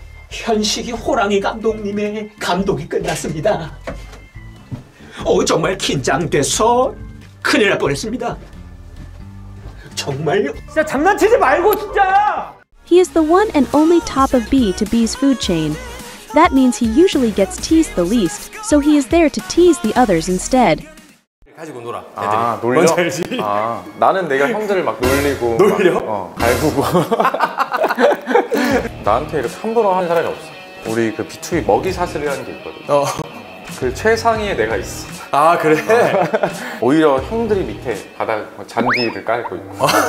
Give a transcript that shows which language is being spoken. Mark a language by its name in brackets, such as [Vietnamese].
[Korean] 현식이 호랑이 감독님의 감독이 끝났습니다. 정말 긴장돼서 큰일 날 뻔했습니다. 정말요? 진짜 장난치지 말고 진짜! [English] He is the one and only top of B to B's food chain. That means he usually gets teased the least, so he is there to tease the others instead. [Korean] 가지고 놀아. 아, 놀려? 뭔지 알지? 아, 나는 내가 형들을 막 놀리고 놀려? 막, 갈구고 나한테 이렇게 함부로 하는 사람이 없어. 우리 그 B2B 먹이 사슬이라는 게 있거든. 그 최상위에 내가 있어. 아 그래? 아, 네. 오히려 형들이 밑에 바닥 잔디를 깔고 있고.